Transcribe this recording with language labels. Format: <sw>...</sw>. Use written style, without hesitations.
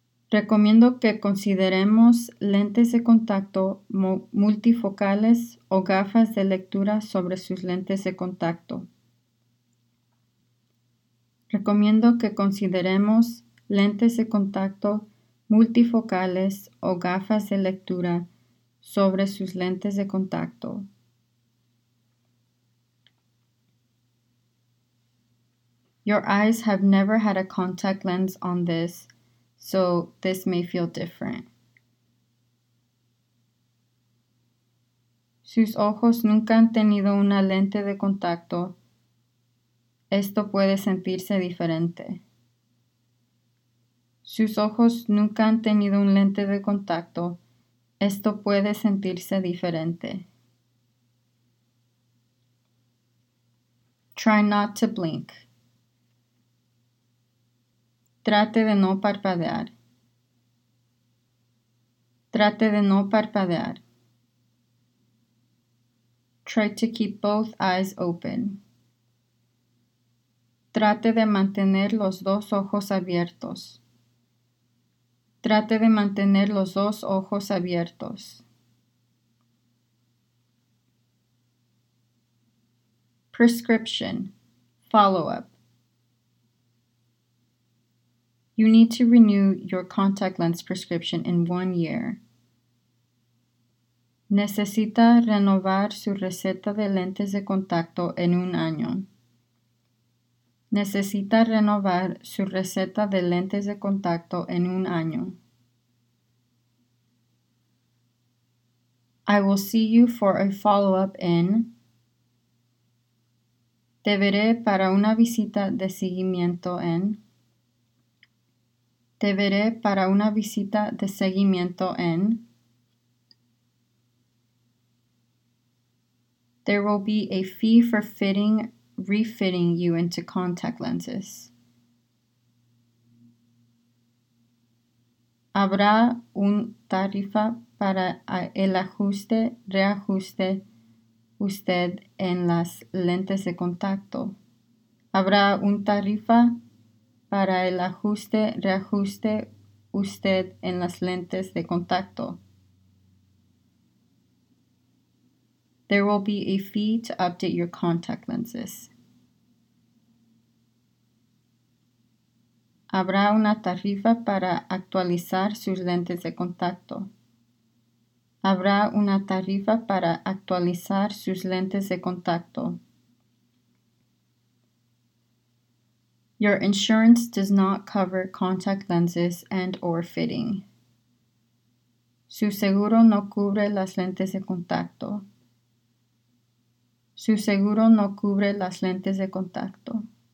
<es>Recomiendo que consideremos lentes de contacto multifocales o gafas de lectura sobre sus lentes de contacto. Recomiendo que consideremos lentes de contacto multifocales o gafas de lectura sobre sus lentes de contacto.</es> <en>Your eyes have never had a contact lens on this, so this may feel different.</en> <es>Sus ojos nunca han tenido una lente de contacto. Esto puede sentirse diferente. Sus ojos nunca han tenido un lente de contacto. Esto puede sentirse diferente.</es> <en>Try not to blink.</en> <es>Trate de no parpadear. Trate de no parpadear.</es> <en>Try to keep both eyes open.</en> <es>Trate de mantener los dos ojos abiertos. Trate de mantener los dos ojos abiertos.</es> <en>Prescription. Follow-up. You need to renew your contact lens prescription in 1 year.</en> <es>Necesita renovar su receta de lentes de contacto en un año. Necesita renovar su receta de lentes de contacto en un año.</es> <en>I will see you for a follow-up in.</en> <es>Te veré para una visita de seguimiento en. Te veré para una visita de seguimiento en.</es> <en>There will be a fee for refitting you into contact lenses.</en> <es>Habrá un tarifa para el ajuste, reajuste usted en las lentes de contacto. Habrá un tarifa para el ajuste, reajuste usted en las lentes de contacto.</es> <en>There will be a fee to update your contact lenses.</en> <es>Habrá una tarifa para actualizar sus lentes de contacto. Habrá una tarifa para actualizar sus lentes de contacto.</es> <en>Your insurance does not cover contact lenses and or fitting.</en> <es>Su seguro no cubre las lentes de contacto. Su seguro no cubre las lentes de contacto.</es>